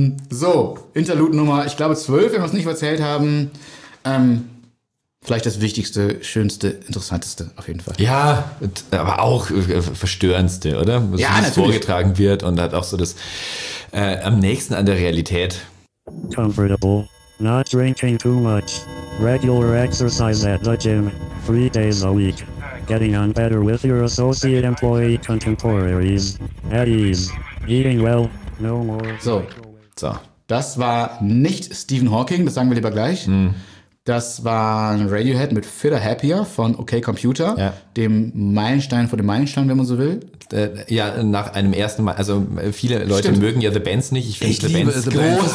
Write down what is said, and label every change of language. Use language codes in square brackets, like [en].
[de] So, Interlude Nummer, ich glaube 12, wenn wir es nicht erzählt haben. Vielleicht das Wichtigste, Schönste, Interessanteste auf jeden Fall. Ja, aber auch Verstörendste, oder? Was ja, natürlich. Was vorgetragen wird und hat auch so das am nächsten an der Realität. [en] Comfortable, not drinking too much, regular exercise at the gym, 3 days a week, getting on better with your associate employee contemporaries, at ease, eating well, no more. [de] So. Das war nicht Stephen Hawking, das sagen wir lieber gleich. Das war Radiohead mit Fitter Happier von OK Computer, dem Meilenstein vor dem Meilenstein, wenn man so will. Ja, nach einem ersten Mal. Also viele Leute mögen ja The Bands nicht. Ich finde The liebe Bands The großartig.